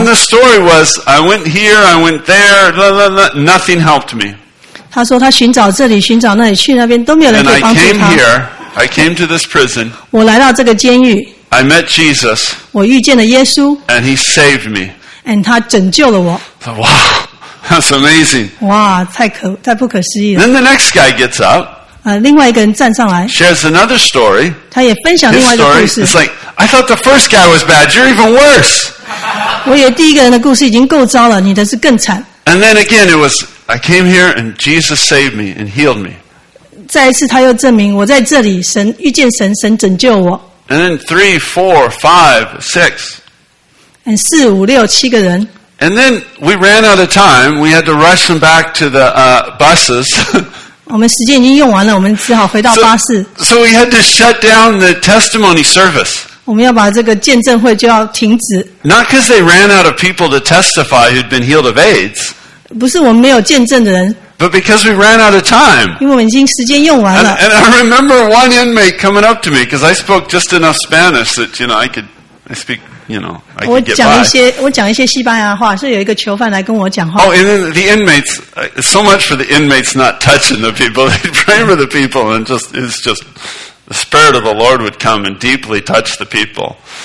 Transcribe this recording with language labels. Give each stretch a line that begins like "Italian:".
English: And the story was, I went here, I went there, nothing helped me.
Chinese: 他说他寻找这里，寻找那里，去那边都没有人可以帮助他。
English: And I came here, I came to this prison.
Chinese: 我来到这个监狱。
English: I met Jesus.
Chinese: 我遇见了耶稣。
English: And he saved me.
Chinese: And 他拯救了我.
English: Wow, that's amazing.
Chinese: 哇，太不可思议了.
English: Then the next guy gets up.
Chinese: 另外一个人站上来.
English: Shares another story.
Chinese: 他也分享另外一个故事.
English: It's like, I thought the first guy was bad. You're even worse.
Chinese: 我以为第一个人的故事已经够糟了, 你的是更惨.
English: And then again, it was, I came here and Jesus saved me and healed me.
Chinese: 再一次他又证明, 我在这里, 神遇见神, 神拯救我.
English: And then 3, 4, 5, 6. And 4, 5, 6 people. And then we ran out of time. We had to rush them back to the buses.
Chinese: 我们时间已经用完了，我们只好回到巴士。
English: So we had to shut down the testimony service.
Chinese: 我们要把这个见证会就要停止。
English: Not because they ran out of people to testify who'd been healed of AIDS.
Chinese: 不是我们没有见证的人。
English: But because we ran out of time.
Chinese: 因为我们已经时间用完了。
English: And I remember one inmate coming up to me because I spoke just enough Spanish that I could get by. Oh, and then the inmates, so much for the inmates not touching the people, they'd pray for the people, and just, it's just, the Spirit of the Lord would come and deeply touch the people.